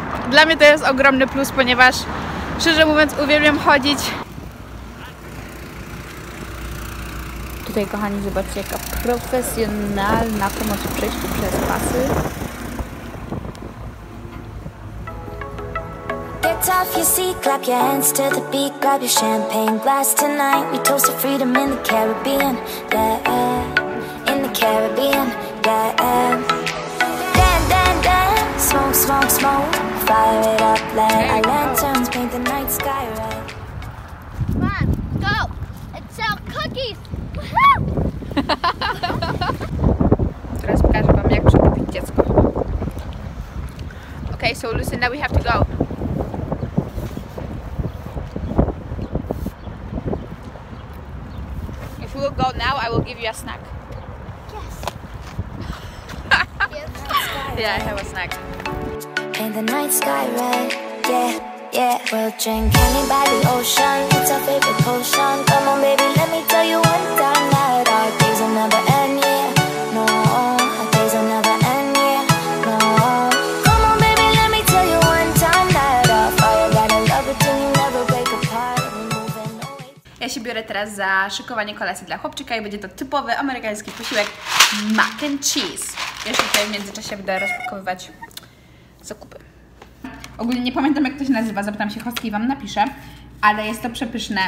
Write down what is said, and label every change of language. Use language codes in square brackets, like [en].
[pl] Dla mnie to jest ogromny plus, ponieważ szczerze mówiąc uwielbiam chodzić. Tutaj kochani, zobaczcie, jaka profesjonalna pomoc w przejściu przez pasy. [en] Off your seat, clap your hands to the beat, grab your champagne glass tonight. We toast to freedom in the Caribbean, yeah, in the Caribbean, yeah. Dan, dan, dan, smoke, smoke, smoke, fire it up, let our lanterns paint the night sky red. Come on, go and sell cookies. Woohoo! [pl] Teraz pokażę wam, jak przekupić dziecko. [en] Okay, so Lucy, now we have to go. Go now, I will give you a snack. Yes. Yeah, I have a snack. In the night sky red, yeah, yeah. We'll drink any by the ocean. It's our favorite potion. Come on, baby, let me tell you one time that our days will never end, yeah. No, our days will never end, yeah. No. Come on, baby, let me tell you one time that our fire got a love until you never break apart. [pl] Ja się biorę teraz za szykowanie kolacji dla chłopczyka i będzie to typowy amerykański posiłek mac and cheese. Jeszcze tutaj w międzyczasie będę rozpakowywać zakupy. Ogólnie nie pamiętam, jak to się nazywa, zapytam się hostki i wam napiszę, ale jest to przepyszne.